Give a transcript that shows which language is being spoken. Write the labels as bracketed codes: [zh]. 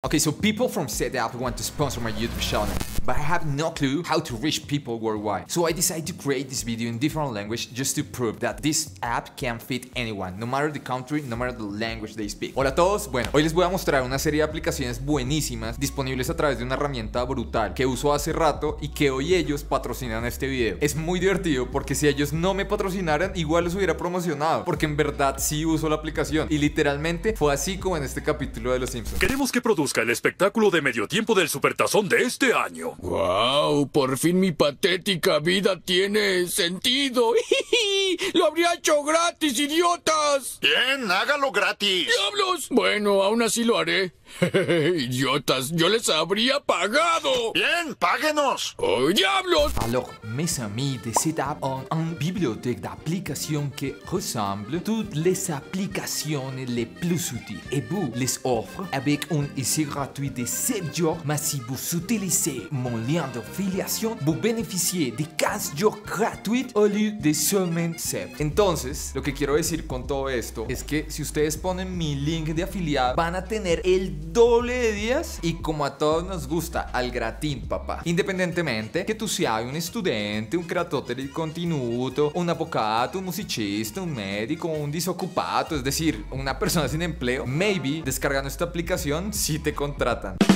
[en] Okay, so people from SETAPP want to sponsor my YouTube channel, but I have no clue how to reach people worldwide. So I decided to create this video in different language just to prove that this app can fit anyone, no matter the country, no matter the language they speak. [es] Hola a todos, bueno, hoy les voy a mostrar una serie de aplicaciones buenísimas disponibles a través de una herramienta brutal que uso hace rato y que hoy ellos patrocinan este video. Es muy divertido porque si ellos no me patrocinaran, igual los hubiera promocionado, porque en verdad sí uso la aplicación y literalmente fue así como en este capítulo de Los Simpsons. Queremos que produzca el espectáculo de medio tiempo del Supertazón de este año. ¡Wow! Por fin mi patética vida tiene sentido. ¡Lo habría hecho gratis, idiotas! ¡Bien, hágalo gratis! ¡Diablos! Bueno, aún así lo haré. ¡Idiotas! ¡Yo les habría pagado! ¡Bien, páguenos! ¡Oh, diablos! [fr] Alors, mes amis de SETAPP ont une bibliothèque d'applications que ressemble à toutes les applications les plus utiles. Et vous les offre avec un essai gratuit de 7 jours. Mais si vous utilisez mon lien d'affiliation, vous bénéficiez de 15 jours gratuits au lieu de seulement 7. [es] Entonces, lo que quiero decir con todo esto es que si ustedes ponen mi link de afiliado, van a tener el doble de días y como a todos nos gusta, al gratín, papá. Independientemente que tú seas un estudiante, un creador de contenido, un abogado, un musicista, un médico, un desocupado, es decir, una persona sin empleo, maybe descargando esta aplicación sí te contratan.